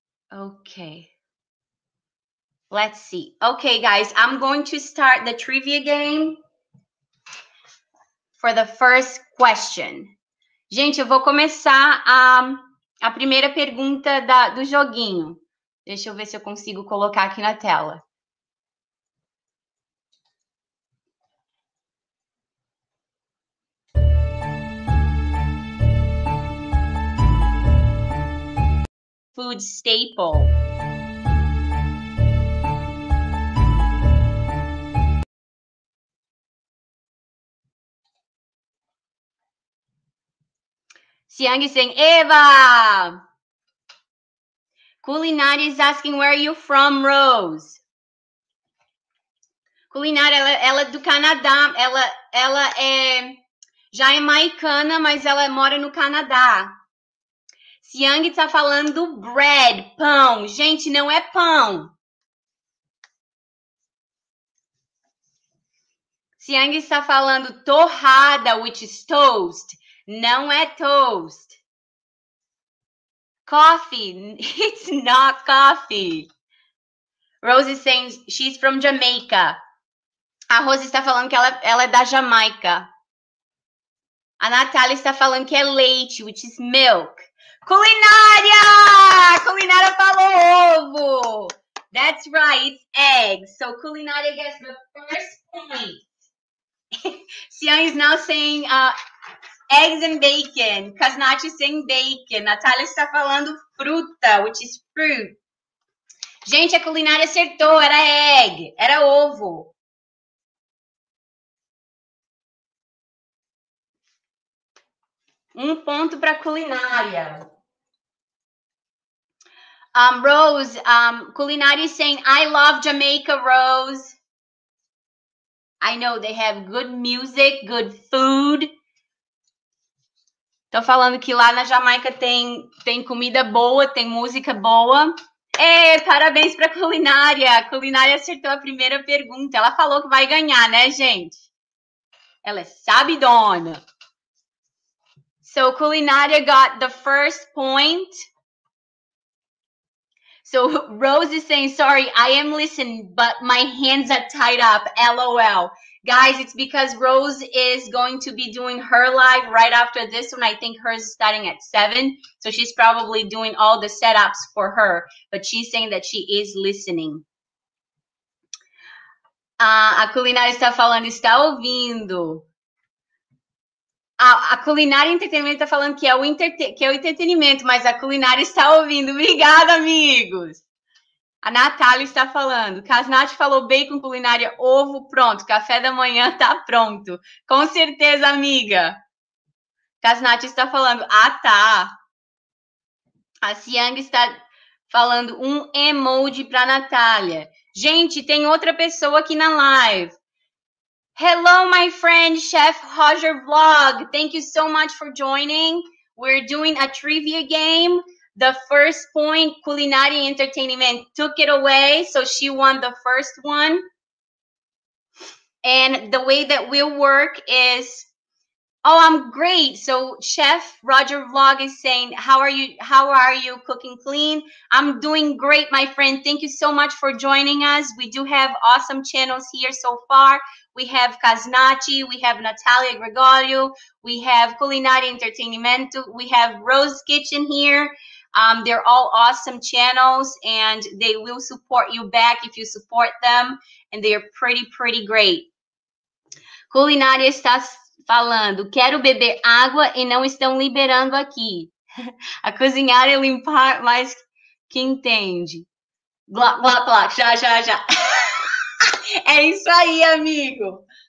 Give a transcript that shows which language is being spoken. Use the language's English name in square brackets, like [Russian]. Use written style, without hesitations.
[English] Okay, let's see. Okay, guys, I'm going to start the trivia game for the first question. [Portuguese] Gente, eu vou começar a primeira pergunta do joguinho. Deixa eu ver se eu consigo colocar aqui na tela. [English] Food staple. Siang is saying, Eva! Culinária is asking, where are you from, Rose? [Portuguese] Culinária, ela é do Canadá. Ela é jamaicana, mas ela mora no Canadá. Siang está falando bread, pão. Gente, não é pão. Siang está falando torrada, [English] which is toast. [Portuguese] Não é [English] toast. Coffee, it's not coffee. Rose is saying she's from Jamaica. [Portuguese] A Rose está falando que ela é da Jamaica. A Natália está falando que é leite, [English] which is milk. [Portuguese] Culinária! Culinária falou ovo! [English] That's right, it's eggs. So, Culinária gets the first point. Siang is now saying, Eggs and bacon. Casnacho sem bacon. [Portuguese] Natália está falando fruta, [English] which is fruit. [Portuguese] Gente, a culinária acertou. Era egg. Era ovo. Um ponto para culinária. [English] Rose, culinária saying, I love Jamaica, Rose. I know they have good music, good food. [Portuguese] Tô falando que lá na Jamaica tem comida boa, tem música boa. Parabéns para culinária. A culinária acertou a primeira pergunta. Ela falou que vai ganhar, né, gente? Ela é sabidona. [English] So, culinária got the first point. So, Rose is saying, sorry, I am listening, but my hands are tied up, LOL. Guys, it's because Rose is going to be doing her live right after this one. I think hers is starting at 7, so she's probably doing all the setups for her, but she's saying that she is listening. [Portuguese] A culinária está falando, está ouvindo. A culinária entretenimento está falando que é o entretenimento, mas a culinária está ouvindo. Obrigada, amigos! A Natália está falando. Casnati falou bacon, culinária, ovo, pronto. Café da manhã está pronto. Com certeza, amiga! Casnati está falando. Ah, tá! A Siang está falando um emoji para a Natália. Gente, tem outra pessoa aqui na live. [English] Hello, my friend, Chef Roger Vlog. Thank you so much for joining. We're doing a trivia game. The first point, culinary entertainment, took it away. So she won the first one. And the way that we'll work is, oh, I'm great. So Chef Roger Vlog is saying, how are you cooking clean? I'm doing great, my friend. Thank you so much for joining us. We do have awesome channels here so far. We have Casnati, we have Natalia Gregorio, we have Culinari Entretenimento, we have Rose Kitchen here. They're all awesome channels, and they will support you back if you support them, and they are pretty, pretty great. [Portuguese] Culinari está falando, quero beber água e não estão liberando aqui. A cozinhar é limpar, mas que entende? Blá, blá, blá, já, já, já. É isso aí, amigo.